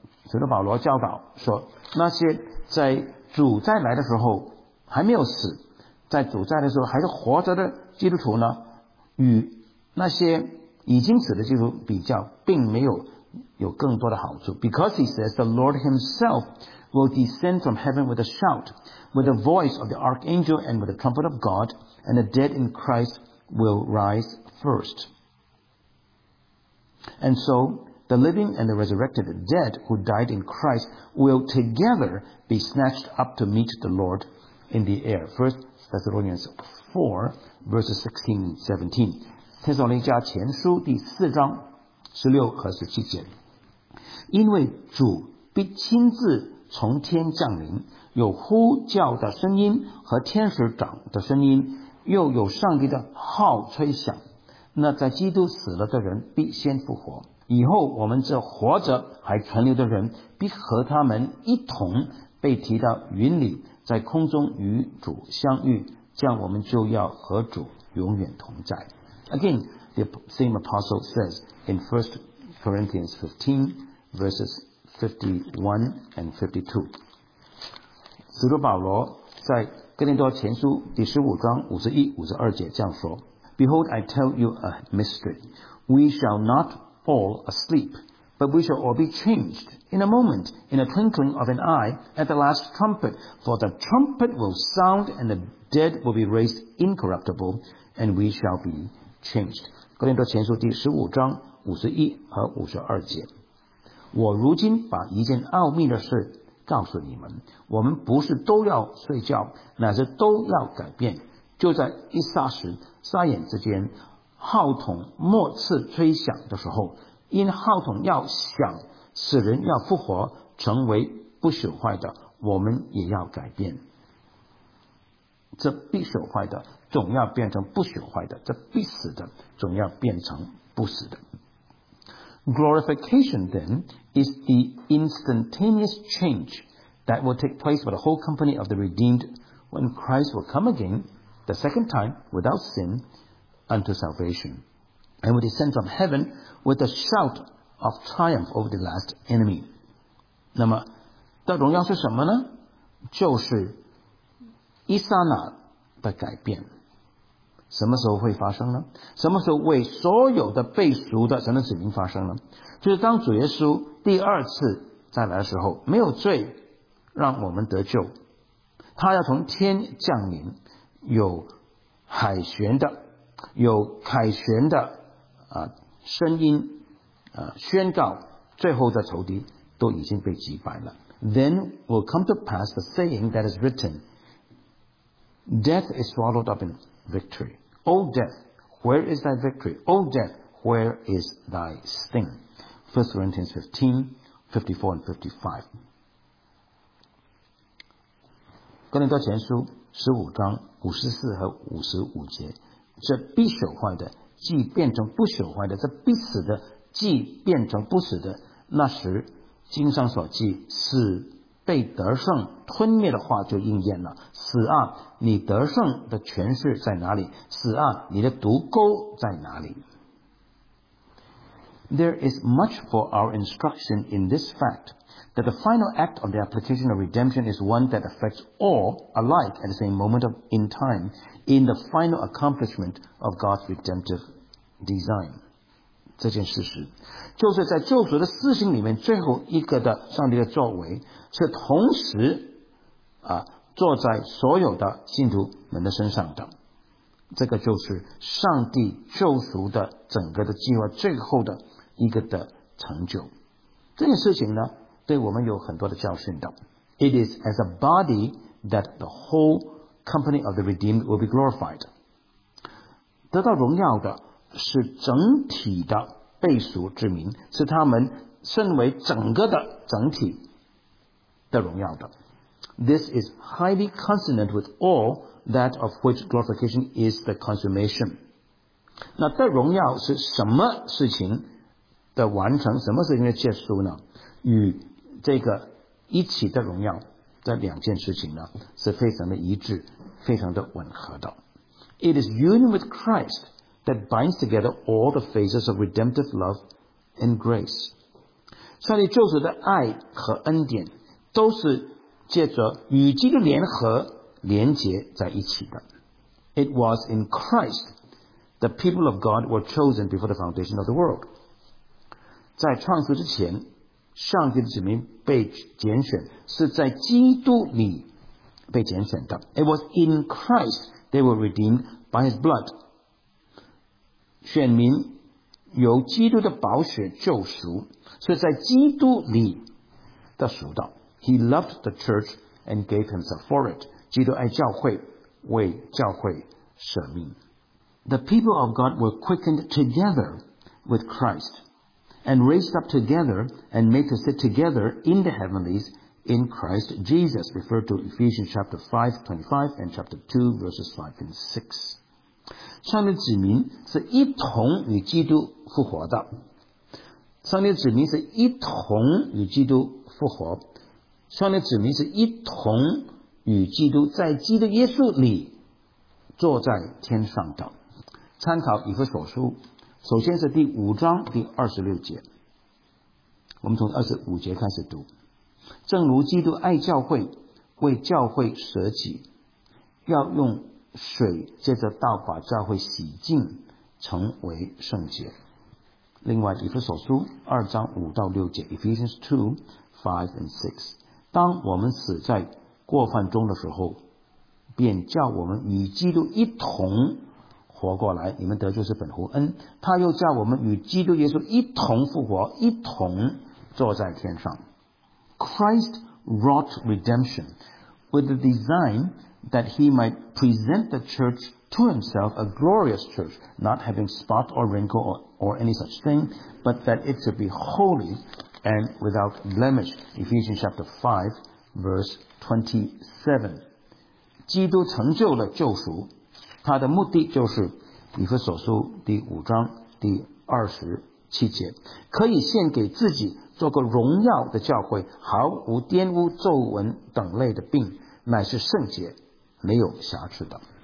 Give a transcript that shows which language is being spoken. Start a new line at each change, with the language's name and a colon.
Chinese: 使徒保罗教导说那些在主再来的时候还没有死在主再来的时候还是活着的基督徒呢与那些已经死的基督徒比较并没有有更多的好处
English: because he says the Lord himself will descend from heaven with a shout, with the voice of the archangel and with the trumpet of God, and the dead in Christ will rise first. And so, the living and the resurrected dead who died in Christ will together be snatched up to meet the Lord in the air. 1 Thessalonians 4, verses 16 and 17.
Chinese: 帖撒罗尼迦前书第四章十六和十七节。因为主必亲自从天降临有呼叫的声音和天使长的声音又有上帝的号吹响那在基督死了的人必先复活以后我们这活着还存留的人必和他们一同被提到云里在空中与主相遇这样我们就要和主永远同在
English: Again, the same apostle says in 1 Corinthians 15 verses 51 and 52.
Chinese: 使徒保罗在哥林多前书第十五章五十一、五十二节这样说
English: Behold, I tell you a mystery. We shall not all asleep, but we shall all be changed in a moment, in a twinkling of an eye, at the last trumpet. For the trumpet will sound, and the dead will be raised incorruptible, and we shall be changed.
Chinese: 哥林多前书第十五章五十一和五十二节我如今把一件奥秘的事告诉你们我们不是都要睡觉乃是都要改变就在一霎时霎眼之间号筒末次吹响的时候因号筒要响使人要复活成为不朽坏的我们也要改变这必朽坏的总要变成不朽坏的这必死的总要变成不死的
English: Glorification, then, is the instantaneous change that that will take place for the whole company of the redeemed when Christ will come again, the second time, without sin, unto salvation, and will descend from heaven with a shout of triumph over the last enemy.
Chinese: 那么，这荣耀是什么呢？就是一刹那的改变。什么时候会发生呢？什么时候为所有的被赎的神的子民发生呢？就是当主耶稣第二次再来的时候，没有罪让我们得救，他要从天降临，有海旋的，有凯旋的啊声音啊宣告，最后的仇敌都已经被击败了。
English: Then will come to pass the saying that is written, "Death is swallowed up in victory." O death, where is thy victory? O death, where is thy sting? 1 Corinthians 15:54-55.
Chinese: 哥林多前书十五章五十四和五十五节，这必朽坏的，既变成不朽坏的；这必死的，既变成不死的。那时经上所记死被得胜吞灭的话就应验了。死啊，你得胜的权势在哪里？死啊，你的毒钩在哪里？
English: There is much for our instruction in this fact that the final act of the application of redemption is one that affects all alike at the same moment of in time in the final accomplishment of God's redemptive design.
Chinese: 这件事实就是在救赎的施行里面，最后一个的上帝的作为是同时啊坐在所有的信徒们的身上的，这个就是上帝救赎的整个的计划最后的一个的成就。这件事情呢，对我们有很多的教训的。
English: It is as a body that the whole company of the redeemed will be glorified.
Chinese: 得到荣耀的是整体的被赎之民，是他们身为整个的整体的荣耀的。
English: This is highly consonant with all that of which glorification is the consummation.
Chinese: 那的荣耀是什么事情的完成，什么事情的结束呢？与这个一起的荣耀这两件事情呢，是非常的一致，非常的吻合的。
English: It is union with ChristThat binds together all the phases of redemptive love and grace.
Chinese: 上帝救赎的爱和恩典都是借着与基督联合连结在一起的。
English: It was in Christ the people of God were chosen before the foundation of the world.
Chinese: 在创世之前，上帝的子民被拣选，是在基督里被拣选的。
English: It was in Christ they were redeemed by his blood.
Chinese: 选民由基督的宝血救赎，所以在基督里的赎道。
English: He loved the church and gave himself for it.
Chinese: 基督爱教会，为教会舍命。
English: The people of God were quickened together with Christ and raised up together and made to sit together in the heavenlies in Christ Jesus. Refer to Ephesians chapter 5:25 and chapter 2 verses 5 and 6.
Chinese: 上帝子民是一同与基督复活的，上帝子民是一同与基督复活，上帝子民是一同与基督在基督耶稣里坐在天上的。参考以弗所书，首先是第五章第二十六节，我们从二十五节开始读。正如基督爱教会，为教会舍己，要用水借着道把教会洗净，成为圣洁。另外，以弗所书二章五到六节 ，
English: Ephesians 2:5-6，
Chinese: 当我们死在过犯中的时候，便叫我们与基督一同活过来。你们得救是本乎恩，他又叫我们与基督耶稣一同复活，一同坐在天上。
English: Christ wrought redemption with the design. That he might present the church to himself a glorious church, not having spot or wrinkle or any such thing, but that it should be holy and without blemish. Ephesians chapter 5, verse 27.
Chinese: 基督成就了救赎，他的目的就是以弗所书第五章第二十七节，可以献给自己做个荣耀的教会，毫无玷污皱纹等类的病，乃是圣洁没有瑕疵的。